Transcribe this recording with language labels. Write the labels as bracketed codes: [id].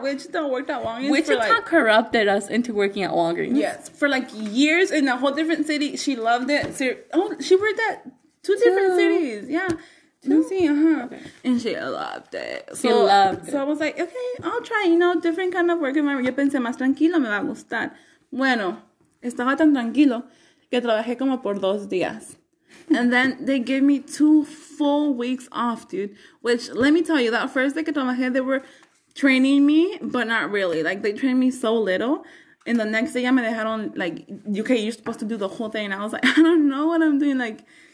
[en] Wichita worked at Walgreens. Wichita for like, corrupted us into working at Walgreens. Yes, for like years in a whole different city. She loved it. She worked at two different cities. Yeah. Two? See, uh-huh. Okay. And she loved it. She loved it. So I was like, okay, I'll try, you know, different kind of work. [es] Yo pensé, más tranquilo, me va a gustar. Bueno, estaba tan tranquilo que trabajé como por 2 días. [en] And then they gave me 2 full weeks off, dude. Which, let me tell you, that first day [es] que trabajé, [en] they were training me, but not really. Like, they trained me so little. And the next day, [es] ya me dejaron, [en] like, okay, you're supposed to do the whole thing. And I was like, I don't know what I'm doing. Like,